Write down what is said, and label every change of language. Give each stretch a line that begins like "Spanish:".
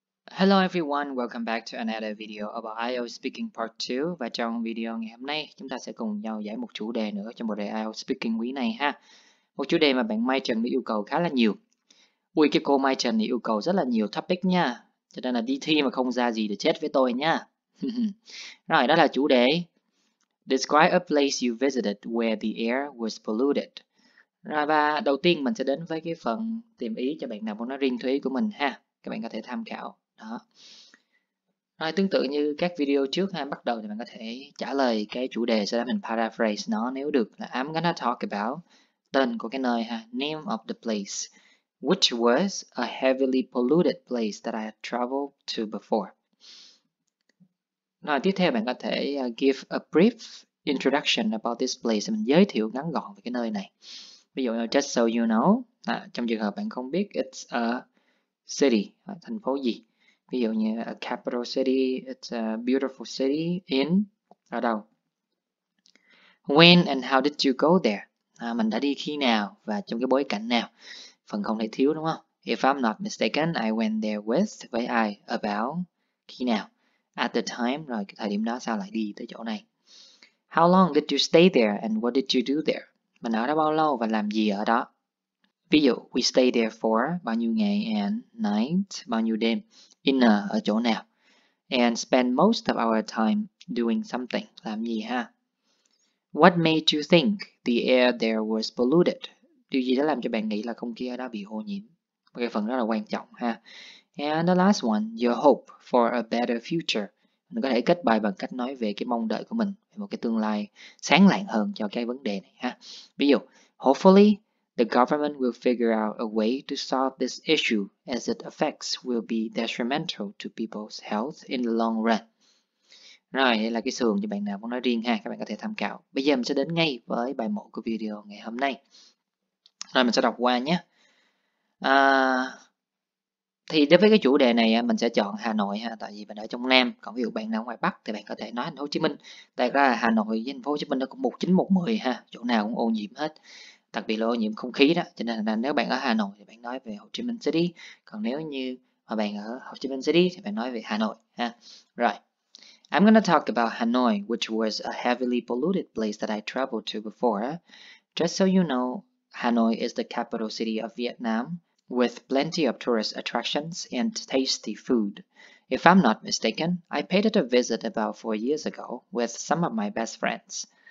English: Hello everyone, welcome back to another video about IELTS Speaking Part 2.
Vietnamese: Và trong video ngày hôm nay, chúng ta sẽ cùng nhau giải một chủ đề nữa trong bộ đề IELTS Speaking quý này ha. Một chủ đề mà bạn Mai Trần đã yêu cầu khá là nhiều. Ui, cái cô Mai Trần yêu cầu rất là nhiều topic nha. Cho nên là đi thi mà không ra gì thì chết với tôi nha. Rồi, đó là chủ đề.
English: Describe a place you visited where the air was polluted.
Vietnamese: Rồi, và đầu tiên mình sẽ đến với cái phần tìm ý cho bạn nào muốn nói riêng thú ý của mình ha. Các bạn có thể tham khảo. Đó. Rồi, tương tự như các video trước ha, bắt đầu thì bạn có thể trả lời cái chủ đề, sau đó mình paraphrase nó nếu được là I'm gonna talk about tên của cái nơi ha, name of the place, which was a heavily polluted place that I had traveled to before. Rồi, tiếp theo bạn có thể give a brief introduction about this place, mình giới thiệu ngắn gọn về cái nơi này. Ví dụ, just so you know, trong trường hợp bạn không biết, it's a city, thành phố gì.
English: Ví dụ như a capital city, it's a beautiful city in, ở đâu?
Vietnamese: When and how did you go there? Mình đã đi khi nào và trong cái bối cảnh nào? Phần không thể thiếu đúng không?
English: If I'm not mistaken, I went there with, với ai, about, khi nào?
Vietnamese: At the time, rồi cái thời điểm đó sao lại đi tới chỗ này?
English: How long did you stay there and what did you do there?
Vietnamese: Mình ở đó bao lâu và làm gì ở đó? Ví dụ, we stay there for bao nhiêu ngày and night, bao nhiêu đêm, in ở chỗ nào, and spend most of our time doing something, làm gì ha.
English: What made you think the air there was polluted?
Vietnamese: Điều gì đã làm cho bạn nghĩ là không khí ở đó bị ô nhiễm? Một cái phần rất là quan trọng ha.
English: And the last one, your hope for a better future.
Vietnamese: Mình có thể kết bài bằng cách nói về cái mong đợi của mình, về một cái tương lai sáng lạng hơn cho cái vấn đề này ha.
English: Ví dụ, hopefully, the government will figure out a way to solve this issue as its effects will be detrimental to people's health in the long run.
Vietnamese: Rồi, đây là cái sườn cho bạn nào muốn nói riêng ha, các bạn có thể tham khảo. Bây giờ mình sẽ đến ngay với bài 1 của video ngày hôm nay. Rồi, mình sẽ đọc qua nhé. Thì đối với cái chủ đề này, mình sẽ chọn Hà Nội ha, tại vì mình ở trong Nam. Còn ví dụ bạn nào ngoài Bắc thì bạn có thể nói Thành phố Hồ Chí Minh. Tại ra Hà Nội với Thành phố Hồ Chí Minh nó cũng 19-10 ha, chỗ nào cũng ô nhiễm hết. Đặc biệt là ô nhiễm không khí đó, cho nên là nếu bạn ở Hà Nội thì bạn nói về Hồ Chí Minh City, còn nếu như mà bạn ở Hồ Chí Minh City thì bạn nói về Hà Nội ha. Rồi.
English: I'm gonna talk about Hanoi, which was a heavily polluted place that I traveled to before. Just so you know, Hanoi is the capital city of Vietnam with plenty of tourist attractions and tasty food. If I'm not mistaken, I paid it a visit about 4 years ago with some of my best friends.